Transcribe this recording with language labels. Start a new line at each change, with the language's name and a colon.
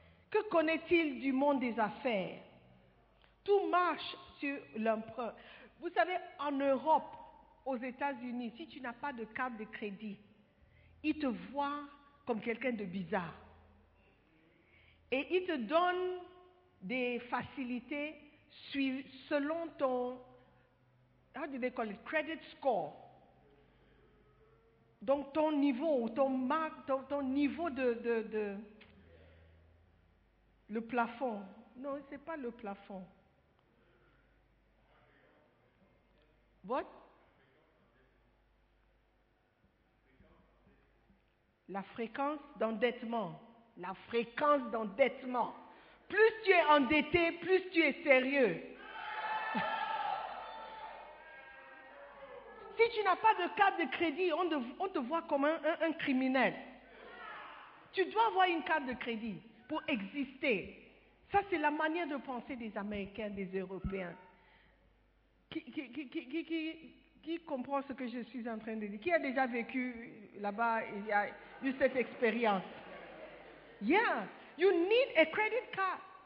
French: Que connaît-il du monde des affaires? Tout marche sur l'emprunt. » Vous savez, en Europe, aux États-Unis, si tu n'as pas de carte de crédit, ils te voient comme quelqu'un de bizarre. Et ils te donnent des facilités selon ton
English: how do they call it, credit score.
French: Donc ton niveau, ton marque, ton niveau de le plafond. Non, c'est pas le plafond.
English: What?
French: La fréquence d'endettement. La fréquence d'endettement. Plus tu es endetté, plus tu es sérieux. Si tu n'as pas de carte de crédit, on te voit comme un criminel. Tu dois avoir une carte de crédit pour exister. Ça, c'est la manière de penser des Américains, des Européens. Qui comprend ce que je suis en train de dire? Qui a déjà vécu là-bas, il y a eu cette expérience?
English: Yeah, you need a credit card.